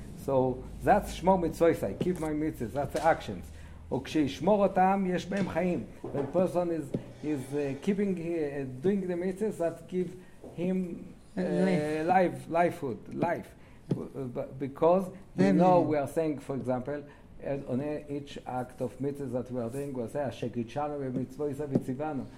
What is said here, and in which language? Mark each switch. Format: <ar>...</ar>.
<en>So that's</en> <he>שמור מצוסי,</he> <en>keep my mitzvahs, that's the actions.</en> <he>וכשישמור אותם יש בהם חיים.</he> <en>When a person is keeping, doing the mitzvahs, that give him life. Because we know we are saying, for example, and on each act of mitzvah that we are doing, we say,</en> <he>"Shekichano v'mitzvoy isa v'tzivano."</he>